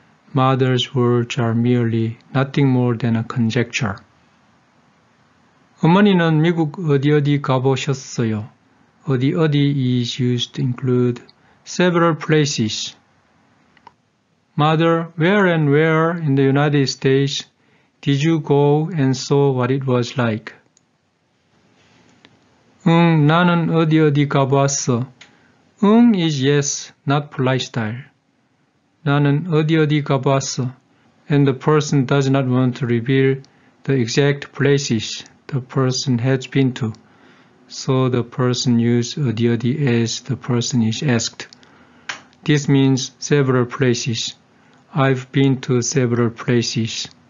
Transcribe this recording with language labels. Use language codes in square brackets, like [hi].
[en] Mother's words are merely nothing more than a conjecture. [ko] 어머니는 미국 어디 어디 가보셨어요? [en] 어디 어디 is used to include several places. Mother, where and where in the United States did you go and saw what it was like? [ko] 응, 나는 어디 어디 가보았어. [en] 응 is yes, not polite style. [ko] 나는 어디 어디 가보았어. [en] And the person does not want to reveal the exact places the person has been to. So the person used 어디 어디 as the person is asked. This means several places. I've been to several places.